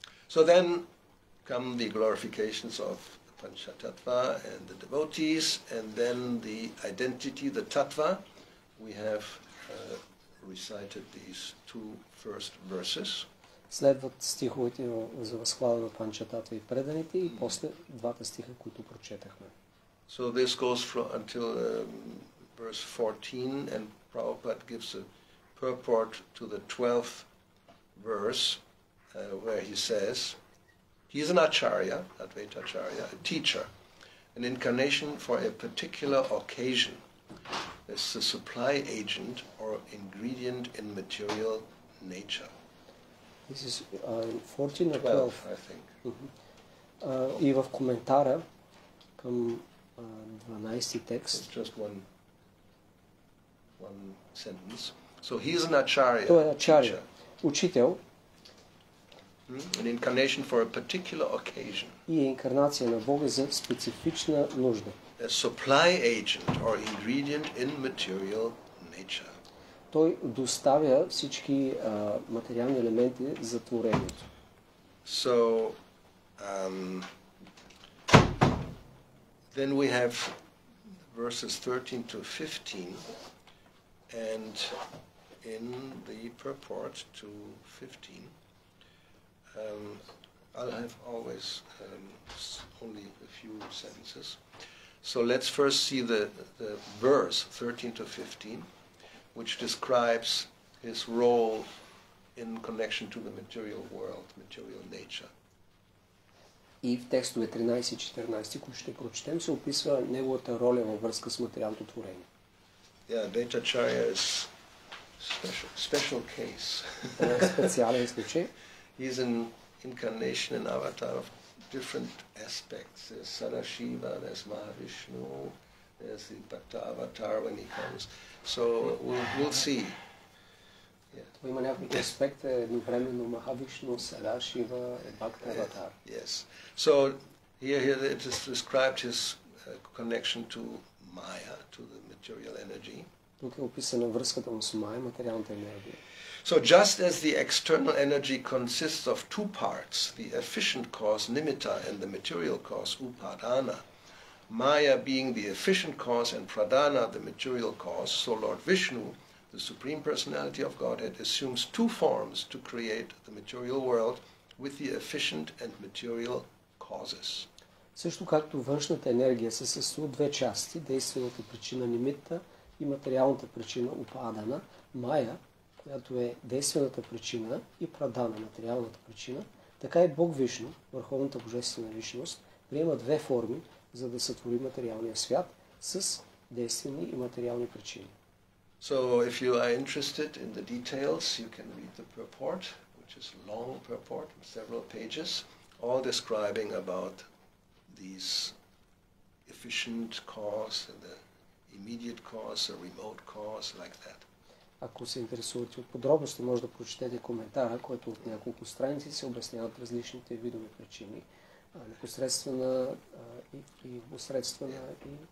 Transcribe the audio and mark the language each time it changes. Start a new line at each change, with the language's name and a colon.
English: So then come the glorifications of Panchatattva and the devotees, and then the identity, the tattva. We have recited these two first verses.
Bulgarian: Следват стиховете за възхвала на Панчататва и преданите, и после двата стиха, които прочетахме.
English: So this goes from until verse 14, and Prabhupada gives a purport to the 12th verse, where he says, he is an Acharya, Advaita Acharya, a teacher, an incarnation for a particular occasion. It's the supply agent or ingredient in material nature. This is 14 or 12? 12, I think. Mm-hmm.
Bulgarian: И в коментара към 12-ти текст.
English: It's just one sentence. So he's an Ачаря.
Bulgarian: Той е Ачаря, учител.
English: An incarnation for a particular occasion.
Bulgarian: И е инкарнация на Бога за специфична нужда.
English: A supply agent or ingredient in material nature.
Bulgarian: Той доставя всички материални елементи за творението.
English: So then we have verses 13 to 15 and in the purport to 15 I'll have always only a few sentences. So let's first see the verse 13 to 15, which describes his role in connection to the material world, material nature.
Bulgarian: И в текстове 13 и 14, които ще прочетем, се описва неговата роля във връзка с материалното творение.
English: Yeah, Advaita Acharya is special case.
Bulgarian: Специален случай.
English: He's an incarnation and avatar of different aspects. There's Sarashiva, there's Mahavishnu, there's the Bhakta avatar when he comes. So we'll see. Yeah.
Bulgarian: Има някакъв аспект едновременно Махавишну, Сарашива, Бхакта аватар.
English: Yes. So here it is described his connection to Maya, to the material energy.
Bulgarian: Тук е описана връзката му с Maya, материалната енергия.
English: So just as the external energy consists of two parts, the efficient cause Nimitta and the material cause Upadana, Maya being the efficient cause and Pradana the material cause, so Lord Vishnu, the Supreme Personality of Godhead, assumes two forms to create the material world with the efficient and material causes.
Bulgarian: Също както външната енергия се състои от две части, действената причина Нимитта и материалната причина Упадана, Майя, която е действената причина и Прадана, материалната причина, така и Бог Вишну, Върховната Божествена Личност, приема две форми, за да сътвори материалния свят с действени и материални причини.
English: So if you are interested in the details, you can read the purport, which is a long purport, several pages, all describing about these efficient cause, and the immediate cause, a remote cause, like that.
Bulgarian: Ако се интересувате от подробности, може да прочетете коментара, който от няколко страници се обясняват различните видове причини, непосредствена и посредствена и